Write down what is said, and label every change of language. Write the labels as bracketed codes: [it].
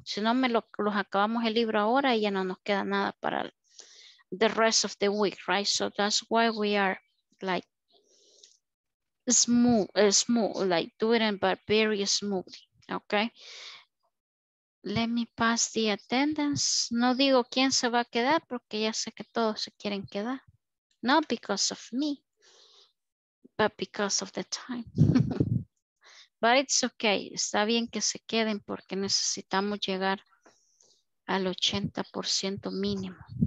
[es] Si no, los acabamos el libro ahora y ya no nos queda nada para the rest of the week, right? [en] So that's why we are like smooth, like doing it, but very smoothly, okay? Let me pass the attendance. [es] No digo quién se va a quedar porque ya sé que todos se quieren quedar. [en] Not because of me, but because of the time. But it's okay. [es] Está bien que se queden porque necesitamos llegar al 80% mínimo.